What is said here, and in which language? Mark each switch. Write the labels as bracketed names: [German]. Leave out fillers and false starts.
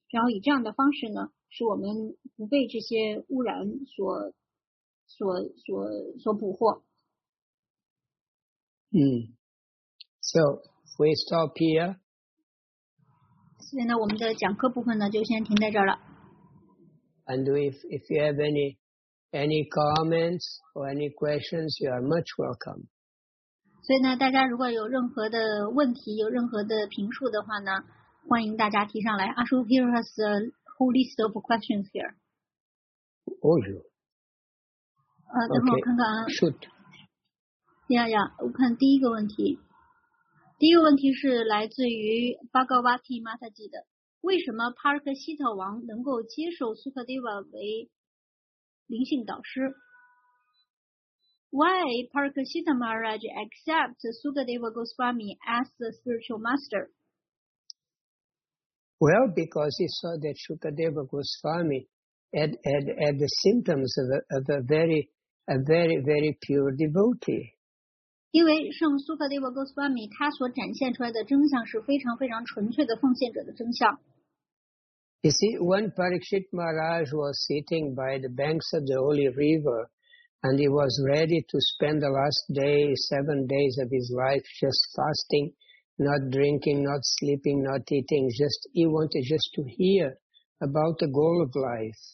[Chinese] 然后以这样的方式呢，使我们不被这些污染所捕获。 [English] So we stop here. [Chinese] 所以呢，我们的讲课部分呢，就先停在这儿了。 [English] And if you have any comments or any questions, you are much welcome. [Chinese] 所以呢，大家如果有任何的问题，有任何的评述的话呢，欢迎大家提上来。 [English] Ashu, here has a whole list of questions here. Oh, you. [Chinese] 等会我看看啊。 [English] Shoot. Yeah, yeah. [Chinese] 我看第一个问题。第一个问题是来自于 Bhagavati Mataji 的，为什么 Park Sita 王能够接受 Sukadeva 为灵性导师？ [English] Why Park Sita Maharaj accept Sukadeva Goswami as the spiritual master? Well, because he saw that Sukadeva Goswami had the symptoms of a very, very pure devotee. [Chinese] 因为圣苏克迪瓦戈斯瓦米他所展现出来的真相是非常非常纯粹的奉献者的真相。 [English] You see, when Parikshit Maharaj was sitting by the banks of the holy river, and he was ready to spend the last day, 7 days of his life, just fasting, not drinking, not sleeping, not eating, he wanted to hear about the goal of life.